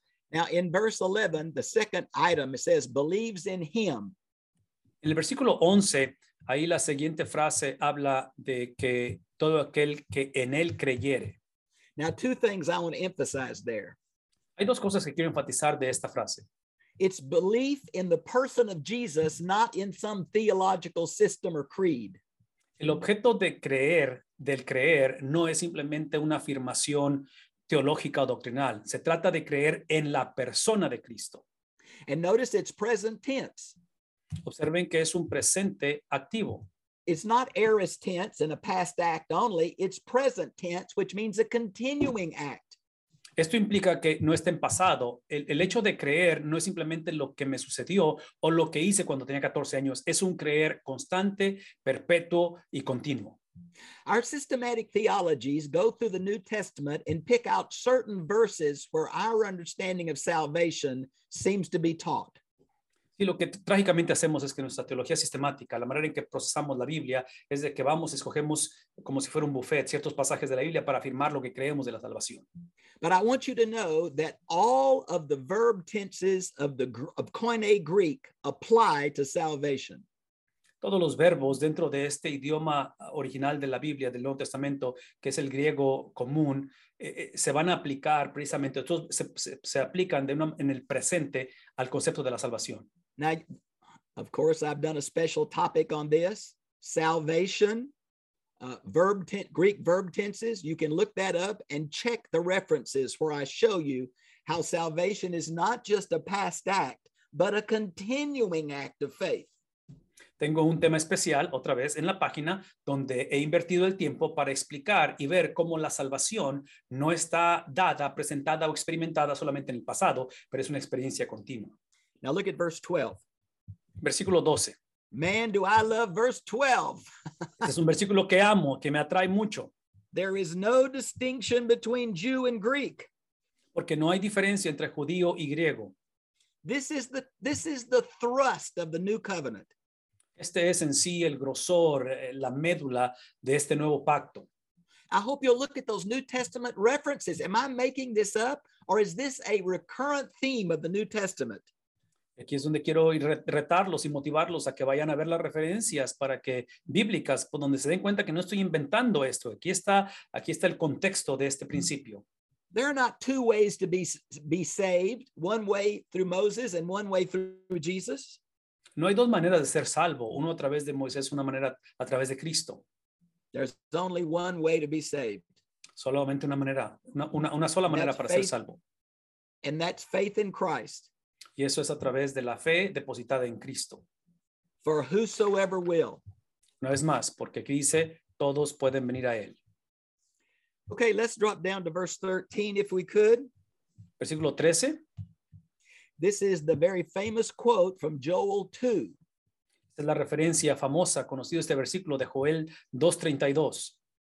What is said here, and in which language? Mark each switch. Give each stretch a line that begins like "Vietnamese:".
English: Now, in verse 11, the second item, it says, believes in him.
Spanish: En el versículo 11, ahí la siguiente frase habla de que todo aquel que en él creyere.
English: Now, two things I want to emphasize there.
Spanish: Hay dos cosas que quiero enfatizar de esta frase.
English: It's belief in the person of Jesus, not in some theological system or creed.
Spanish: El objeto de creer, del creer, no es simplemente una afirmación teológica o doctrinal. Se trata de creer en la persona de Cristo.
English: And notice it's present tense.
Spanish: Observen que es un presente activo.
English: It's not aorist tense and a past act only. It's present tense, which means a continuing act.
Spanish: Esto implica que no está en pasado. El hecho de creer no es simplemente lo que me sucedió o lo que hice cuando tenía 14 años. Es un creer constante, perpetuo y continuo.
English: Our systematic theologies go through the New Testament and pick out certain verses where our understanding of salvation seems to be taught.
Spanish: Y lo que trágicamente hacemos es que nuestra teología sistemática, la manera en que procesamos la Biblia, es de que vamos y escogemos como si fuera un buffet ciertos pasajes de la Biblia para afirmar lo que creemos de la salvación.
English: But I want you to know that all of the verb tenses of Koine Greek apply to salvation.
Spanish: Todos los verbos dentro de este idioma original de la Biblia, del Nuevo Testamento, que es el griego común, se van a aplicar precisamente, se aplican en el presente al concepto de la salvación.
English: Now, of course, I've done a special topic on this, salvation, Greek verb tenses. You can look that up and check the references where I show you how salvation is not just a past act, but a continuing act of faith.
Spanish: Tengo un tema especial, otra vez, en la página donde he invertido el tiempo para explicar y ver cómo la salvación no está dada, presentada o experimentada solamente en el pasado, pero es una experiencia continua.
English: Now look at verse 12.
Spanish: Versículo 12.
English: Man, do I love verse 12.
Spanish: Este es un versículo que amo, que me atrae mucho.
English: There is no distinction between Jew and Greek.
Spanish: Porque no hay diferencia entre judío y griego.
English: This is the thrust of the new covenant.
Spanish: Este es en sí el grosor, la médula de este nuevo pacto.
English: I hope you'll look at those New Testament references. Am I making this up or is this a recurrent theme of the New Testament?
Spanish: Aquí es donde quiero retarlos y motivarlos a que vayan a ver las referencias para que bíblicas, por donde se den cuenta que no estoy inventando esto. Aquí está el contexto de este principio.
English: There are not two ways to be saved, one way through Moses and one way through Jesus.
Spanish: No hay dos maneras de ser salvo, uno a través de Moisés, una manera a través de Cristo.
English: There's only one way to be saved.
Spanish: Solamente una manera, una sola manera para ser salvo.
English: And that's faith in Christ.
Spanish: Y eso es a través de la fe depositada en Cristo.
English: For whosoever will.
Spanish: Una vez más, porque aquí dice, todos pueden venir a él.
English: Okay, let's drop down to verse 13 if we could.
Spanish: Versículo 13.
English: This is the very famous quote from Joel 2.
Spanish: Es la referencia famosa, conocido este versículo de Joel 2:32.